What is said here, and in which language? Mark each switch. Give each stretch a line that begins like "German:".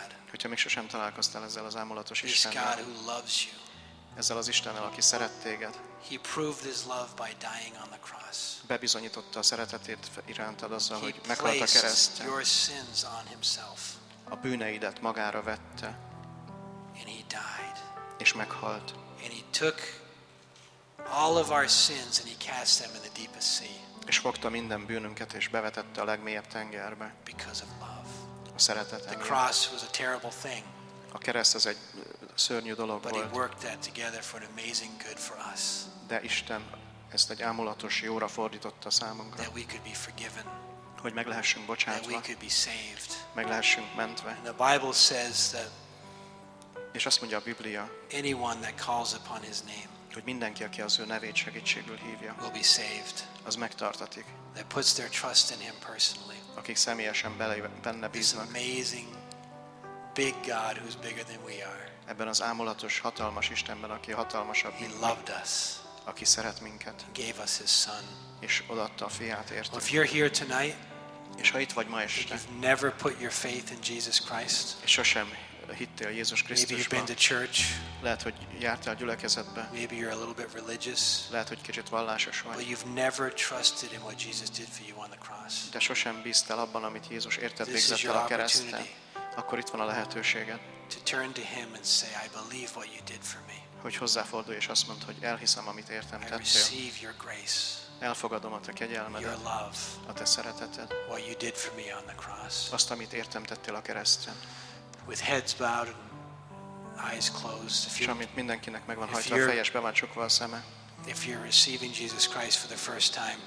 Hungarian: Hogyha még sosem találkoztál ezzel az ámulatos Istennel, ezzel az Istennel, aki szeret téged,
English: He proved his love by dying on the cross.
Hungarian: Bebizonyította a szeretetét irántad azzal, hogy meghalt a kereszten.
English: Your sins on himself.
Hungarian: A bűneidet magára vette.
English: And he died.
Hungarian: És meghalt.
English: And he took all of our sins and he cast them in the deepest sea.
Hungarian: És fogta minden bűnünket és bevetette a legmélyebb tengerbe.
English: Because of love.
Hungarian: A szeretet.
English: The cross was a terrible thing.
Hungarian: A kereszt az egy szörnyű dolog
English: But
Hungarian: volt.
English: He worked that together for an amazing good for us.
Hungarian: De Isten ezt egy ámulatos jóra fordította számunkra.
English: That we could be forgiven.
Hungarian: Hogy meg lehessünk bocsátva.
English: That we could be saved.
Hungarian: Meg lehessünk mentve.
English: And the Bible says that
Hungarian: és azt mondja a Biblia,
English: anyone that calls upon his name,
Hungarian: hogy mindenki, aki az ő nevét segítségül hívja,
English: will be saved.
Hungarian: Az megtartatik.
English: That puts their trust in him personally.
Hungarian: Akik személyesen benne bíznak.
English: This amazing big God who's bigger than we are.
Hungarian: Ebben az ámulatos, hatalmas Istenben, aki hatalmasabb,
English: He loved us.
Hungarian: Aki szeret minket.
English: Gave us his son.
Hungarian: És odaadta a fiát értünk.
English: Well, if you're here tonight,
Hungarian: és ha itt vagy ma este,
English: you've never put your faith in Jesus Christ,
Hungarian: és sosem hittél Jézus Krisztusban.
English: Maybe you've been to church.
Hungarian: Lehet, hogy jártál a gyülekezetbe.
English: Maybe you're a little bit religious.
Hungarian: Lehet, hogy kicsit vallásos vagy.
English: But you've never trusted in what Jesus did for you on the cross.
Hungarian: De sosem bíztál abban, amit Jézus érted végzett el a kereszten. Akkor itt van a lehetőséged.
English: To turn to him and say, I believe what you did for me.
Hungarian: Hogy hozzáfordulj és azt mondd, hogy elhiszem, amit értem tettél.
English: I receive your grace.
Hungarian: Elfogadom a te kegyelmedet.
English: Your love.
Hungarian: A te szereteted.
English: What you did for me on the cross.
Hungarian: Azt, amit értem tettél a kereszten.
English: With heads bowed and eyes closed.
Hungarian: És amit mindenkinek megvan hajtva, fejes be van csukva a szeme.
English: If you're receiving Jesus Christ for the first time,